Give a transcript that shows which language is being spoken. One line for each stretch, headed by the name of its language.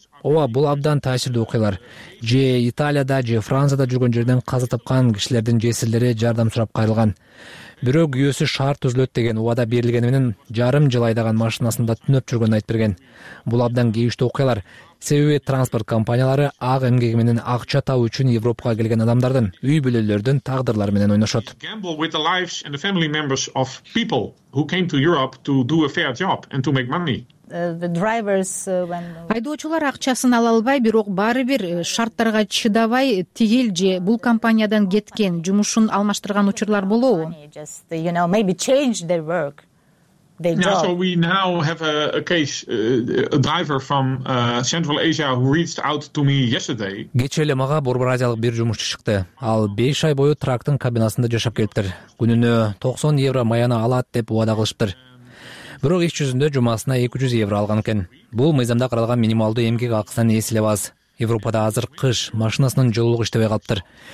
Kyrgyz: Ооба, бул абдан таасирдүү окуялар. Же Италияда, же Францияда жүргөн жерден каза тапкан кишилердин жесирлери жардам сурап кайрылган. Бирок күйөөсү шарт түзүлөт деген убада берилгени менен жарым жыл айдаган машинасында түнөп жүргөнүн айтып берген. Бул абдан кейиштүү окуялар. Себеби транспорт компаниялары ак эмгеги менен акча табуу үчүн Европага келген адамдардын, үй бүлөлөрдүн тагдырлары менен ойношот.
English: Gamble with the lives and the family members of people who came to Europe to do a fair job and to make money.
Kyrgyz: Айдоочулар акчасын ала албай, бирок баары бир шарттарга чыдабай тигил же бул компаниядан кеткен, жумушун алмаштырган учурлар болобу?
English: You know, maybe change their work. Yeah, so we now have a case, a driver from Central Asia who reached out to me yesterday.
Kyrgyz: Кечээ эле мага Борбор-Азиялык бир жумушчу чыкты. Ал 5 ай бою трактын кабинасында жашап келиптир. Күнүнө 90 евро маяна алат деп убада кылышыптыр. Бирок иш жүзүндө жумасына 200 евро алган экен. Бул мыйзамда каралган минималдуу эмгек акысынан эс эле аз. Европада азыр кыш, машинасынын жылуулугу иштебей калыптыр.